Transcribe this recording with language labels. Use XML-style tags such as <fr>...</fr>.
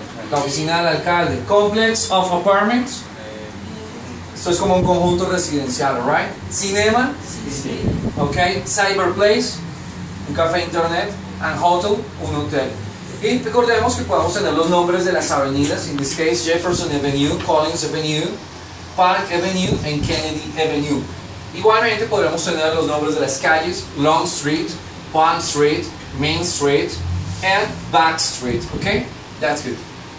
<es>La oficina del alcalde.</es> <en>Complex of apartments. So it's</en> <es>como un conjunto residencial,</es> <en>right? Cinema.</en> <es>Sí.</es> <en>Okay. Cyber place.</en> <es>Un café internet.</es> <en>And hotel. Un hotel.</en> <es>Y recordemos que podemos tener los nombres de las avenidas.</es> <en>In this case, Jefferson Avenue, Collins Avenue, Park Avenue, and Kennedy Avenue.</en> <es>Igualmente podremos tener los nombres de las calles.</es> <en>Long Street, Palm Street, Main Street, and Back Street. Okay? That's good.</en>